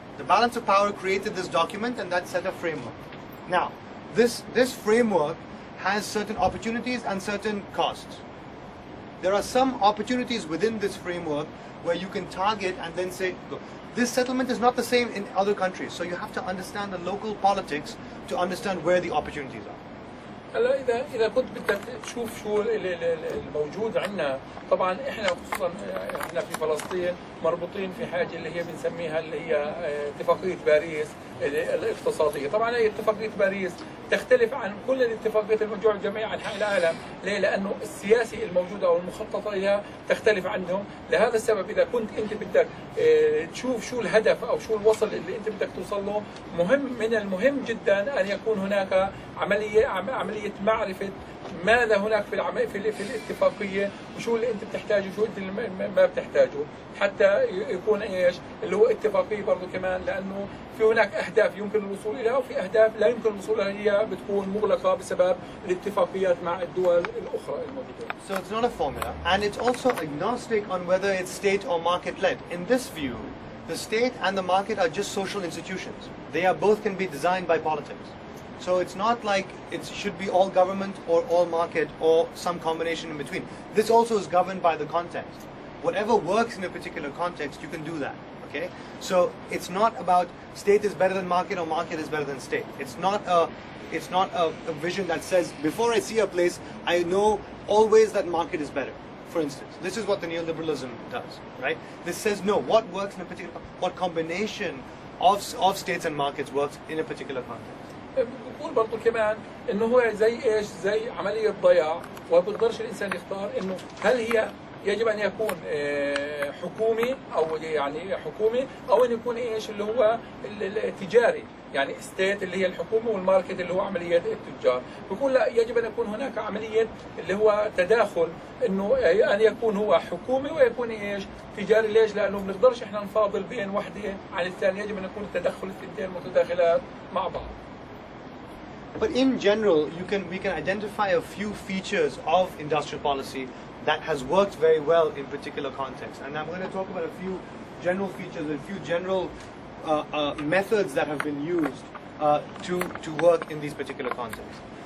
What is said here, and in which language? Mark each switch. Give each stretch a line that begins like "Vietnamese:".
English: The balance of power created this document and that set a framework. Now, this framework has certain opportunities and certain costs. There are some opportunities within this framework where you can target and then say, go. This settlement is not the same in other countries, so you have to understand the local politics to understand where the opportunities are.
Arabic: هلا اذا كنت بدك تشوف شو الموجود عندنا، طبعا احنا خصوصا احنا في فلسطين مربوطين في حاجه اللي هي بنسميها اللي هي اتفاقيه باريس الاقتصاديه. طبعا هي اتفاقيه باريس تختلف عن كل الاتفاقيات الموجوده على جميع انحاء العالم. ليه؟ لانه السياسي الموجود او المخطط لها تختلف عنهم. لهذا السبب اذا كنت انت بدك تشوف شو الهدف او شو الوصل اللي انت بدك توصل له، من المهم جدا ان يكون هناك عملية معرفة ماذا هناك في الاتفاقية وشو اللي انت بتحتاجه وشو اللي ما بتحتاجه، حتى يكون ايش اللي هو اتفاقية برضو كمان، لانه في هناك اهداف يمكن الوصول اليها وفي اهداف لا يمكن الوصول اليها، هي بتكون مغلقة بسبب الاتفاقيات مع الدول الاخرى الموجودة.
English: So it's not a formula and it's also agnostic on whether it's state or market led. In this view, the state and the market are just social institutions. They are both can be designed by politics. So it's not like it should be all government or all market or some combination in between. This also is governed by the context. Whatever works in a particular context, you can do that, okay? So it's not about state is better than market or market is better than state. It's not a vision that says, before I see a place, I know always that market is better. for instance, this is what the neoliberalism does, right? This says, no, what works in a particular, what combination of states and markets works in a particular context.
Arabic: بقول برضو كمان انه هو زي ايش زي عملية ضياع وبقدرش الانسان يختار انه هل هي يجب ان يكون حكومي او يعني حكومي او ان يكون ايش اللي هو التجاري يعني استيت اللي هي الحكومة والماركت اللي هو عملية التجار بقول لا يجب ان يكون هناك عملية اللي هو تداخل انه ان يكون هو حكومي ويكون ايش تجاري ليش لانه بنقدرش احنا نفاضل بين واحدة عن الثانية يجب ان يكون التدخل الاثنين متداخلات مع بعض.
English: But in general, we can identify a few features of industrial policy that has worked very well in particular contexts. And I'm going to talk about a few general features, a few general methods that have been used to work in these particular contexts.